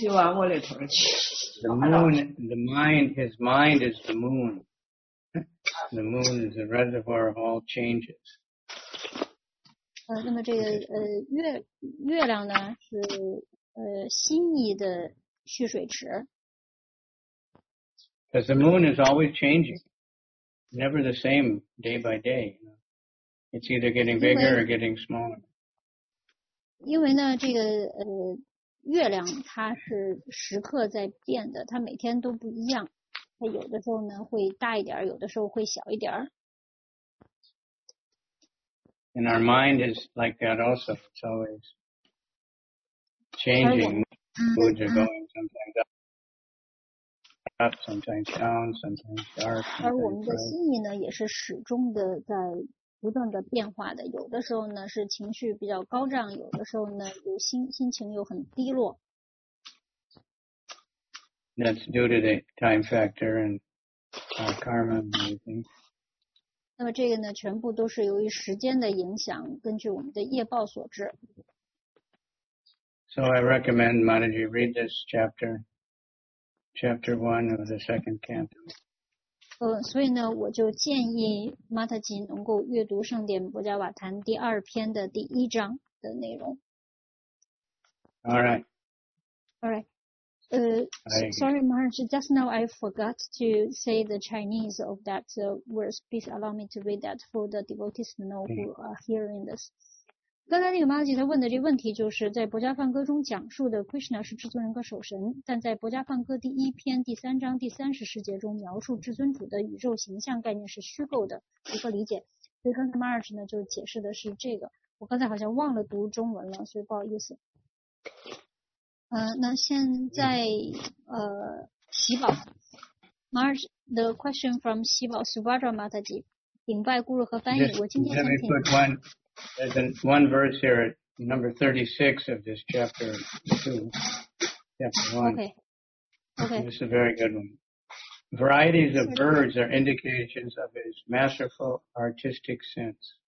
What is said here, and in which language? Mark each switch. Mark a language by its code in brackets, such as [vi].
[en] The mind, his mind is the moon. The moon is the reservoir of all changes. [zh] 那么这个月亮呢是心意的蓄水池。 [en] Because the moon is always changing, never the same day by day. It's either getting bigger or getting smaller. [zh] 因为呢，这个月亮它是时刻在变的，它每天都不一样。它有的时候呢会大一点，有的时候会小一点。 [en] And our mind is like that also. It's always changing. Moods are going sometimes up, sometimes down, sometimes dark. Sometimes [zh] 而我们的心意呢，也是始终的在。不断的变化的，有的时候呢是情绪比较高涨，有的时候呢有心情又很低落。 [en] That's due to the time factor and karma and everything. [zh] 那么这个呢，全部都是由于时间的影响，根据我们的业报所致。 [en] So I recommend Mataji read this chapter 1 of the second canto. [zh] 所以呢，我就建议玛塔吉能够阅读《圣典·波迦瓦坛》第二篇的第一章的内容。 [en] All right. Sorry, Maharaj, just now I forgot to say the Chinese of that verse. Please allow me to read that for the devotees to know who are hearing this. [zh] 刚才那个玛塔吉他问的这个问题，就是在《博迦梵歌》中讲述的 Krishna 是至尊人格首神，但在《博迦梵歌》第一篇第三章第三十世节中描述至尊主的宇宙形象概念是虚构的，如何理解？所以刚才玛塔吉呢就解释的是这个，我刚才好像忘了读中文了，所以不好意思。那现在喜宝，玛塔吉 ， [en] The question from [zh] 喜宝 Subhadra Mataji， 顶拜咕噜和翻译， [en] this, [zh] 我今天想请。 [en] There's one verse here at number 36 of this chapter 2, chapter 1. Okay. This is a very good one. Varieties of birds are indications of his masterful artistic sense.